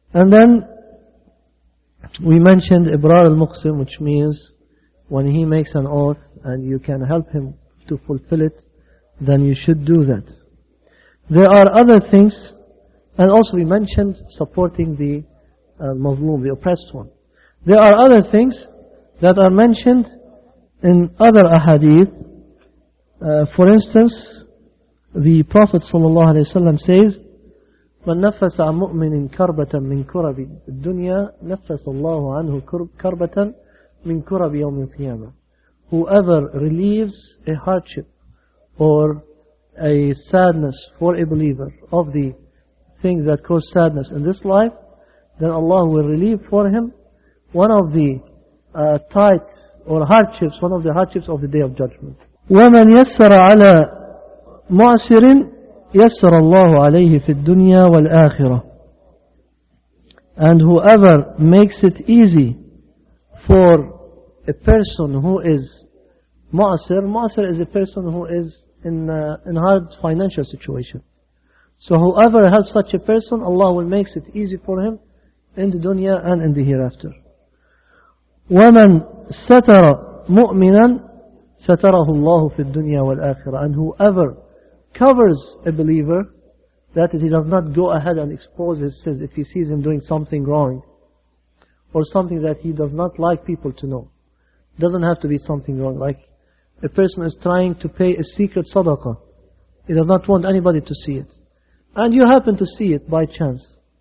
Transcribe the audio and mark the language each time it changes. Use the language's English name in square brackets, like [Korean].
[English] And then we mentioned Ibrar al-Muqsim, which means when he makes an oath and you can help him to fulfill it, then you should do that. There are other things, and also we mentioned supporting the mazlum, the oppressed one. There are other things that are mentioned in other ahadith. For instance, the Prophet ﷺ says, [Arabic] من نفس عن مؤمن كربة من كرب الدنيا نفس الله عنه كربة من كرب يوم القيامة. [English] Whoever relieves a hardship or a sadness for a believer of the things that cause sadness in this life, then Allah will relieve for him one of the tithes or hardships, one of the hardships of the Day of Judgment. [Arabic] ومن يسر على معسر يسر الله عليه في الدنيا والآخرة. [English] And whoever makes it easy for a person who is معسر, معسر is a person who is in hard financial situation. So whoever helps such a person, Allah will make it easy for him in the dunya and in the hereafter. [Arabic] ومن ستر مؤمنا ستره الله في الدنيا والآخرة. [English] And whoever covers a believer, that is, he does not go ahead and expose his sins if he sees him doing something wrong or something that he does not like people to know. Doesn't have to be something wrong, like a person is trying to pay a secret sadaqah, he does not want anybody to see it, and you happen to see it by chance.